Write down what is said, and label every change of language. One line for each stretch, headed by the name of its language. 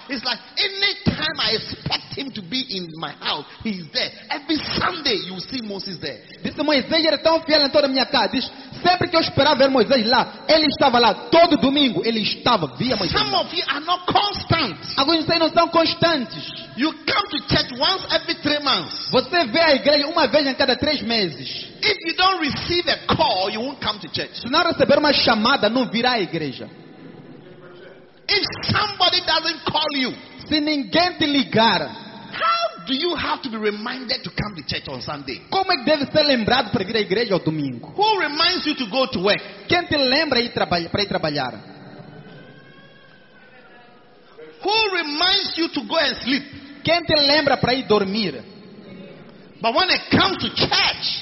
English: It's like any time I expect him to be in my house, he's there. Every Sunday you see Moses there.
Portuguese: Disse Moisés era tão fiel em toda minha casa. Diz, sempre que eu esperava ver Moisés lá, ele estava lá. Todo domingo ele estava, via Moisés.
English: Some of you are not constant.
Portuguese: Alguns de vocês não são constantes.
English: You come to church once every 3 months.
Portuguese: Você vem à igreja uma vez em cada 3 meses.
English: If you don't receive a call, you won't come to church.
Portuguese: Se não receber uma chamada, não virá à igreja.
English: If somebody doesn't call you,
Portuguese: se ninguém te ligar,
English: how do you have to be reminded to come to church on Sunday?
Portuguese: Como é que deve ser lembrado para vir à igreja ao domingo?
English: Who reminds you to go to work?
Portuguese: Quem te lembra para ir trabalhar?
English: Who reminds you to go and sleep?
Portuguese: Quem te lembra para ir dormir?
English: But when it comes to church,